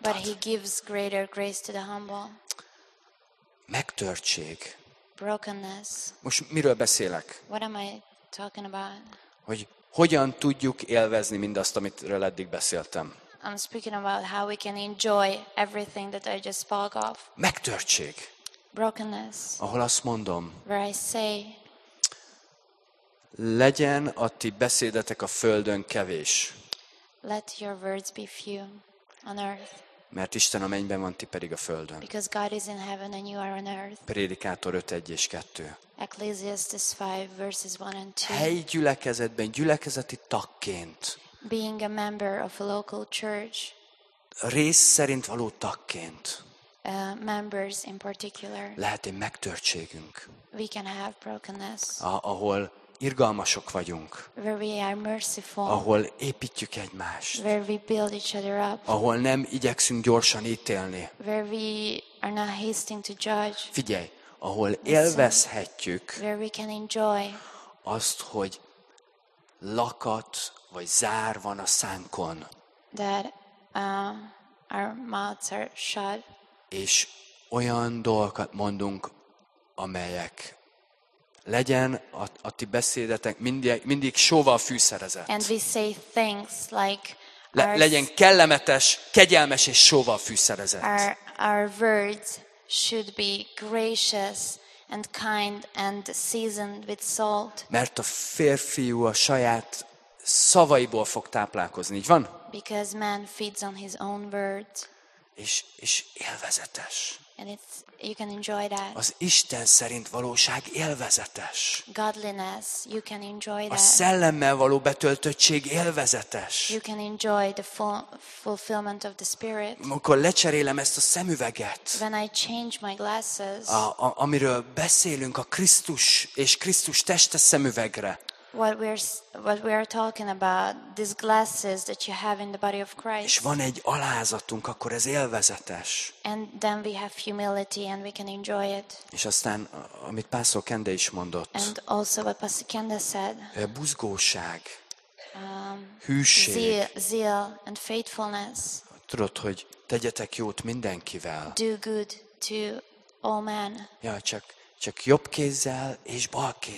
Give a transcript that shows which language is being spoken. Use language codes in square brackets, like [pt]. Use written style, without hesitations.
[en] but ad. But he gives greater grace to the humble. [hu] Megtörtség. [en] Brokenness. [hu] Most miről beszélek? [en] What am I talking about? [hu] Hogy hogyan tudjuk élvezni mindazt, amitről eddig beszéltem. [en] I'm speaking about how we can enjoy everything that I just spoke of. [hu] Megtörtség. [en] Brokenness. [hu] Ahol azt mondom. [en] Where I say. [hu] Legyen a ti beszédetek a földön kevés. [en] Let your words be few on earth. [hu] Mert Isten a mennyben van, ti pedig a földön. [en] Because God is in heaven and you are on earth. [hu] Prédikátor 5:1 és 2. [en] Ecclesiastes 5 verses 1 and 2. [hu] Helyi gyülekezetben, gyülekezeti tagként. [en] Being a member of a local church. [hu] Rész szerint való tagként. [en] Members in particular. [hu] Lehet egy megtörtségünk. [en] We can have brokenness. [hu] Ahol irgalmasok vagyunk. [en] Where we are merciful. [hu] Ahol építjük egymást. [en] Where we build each other up. [hu] Ahol nem igyekszünk gyorsan ítélni. [en] Where we are not hasting to judge. [hu] Figyelj, ahol élvezhetjük. [en] Where we can enjoy. [hu] Azt, hogy lakat vagy zár van a szánkon. [en] That our mouths are shut. [hu] És olyan dolgokat mondunk, amelyek legyen a ti beszédetek mindig sóval fűszerezett. [en] And we say things like [hu] legyen kellemetes, kegyelmes és sóval fűszerezett. [en] Our words should be gracious and kind and seasoned with salt. [hu] Mert a férfiú a saját szavaiból fog táplálkozni, így van? [en] Because man feeds on his own words. [hu] És élvezetes. [en] And it's, you can enjoy that. [hu] Az Isten szerint valóság élvezetes. [en] Godliness, you can enjoy that. [hu] A szellemmel való betöltöttség élvezetes. [en] You can enjoy the fulfillment of the spirit. [hu] Amikor lecserélem ezt a szemüveget. [en] When I change my glasses. [hu] Amiről beszélünk a Krisztus és Krisztus teste szemüvegre. [en] What we are talking about, these glasses that you have in the body of Christ. [hu] És van egy alázatunk, akkor ez élvezetes. [en] And then we have humility and we can enjoy it. [hu] És aztán, amit Pásztor Kende is mondott. [en] And also what Pastor Kende said. [hu] Buzgóság, hűség. [en] Zeal and faithfulness. [hu] Tudod, hogy tegyetek jót mindenkivel. [en] Do good to all men. [hu] Ja, csak jobb kézzel és bal kézzel.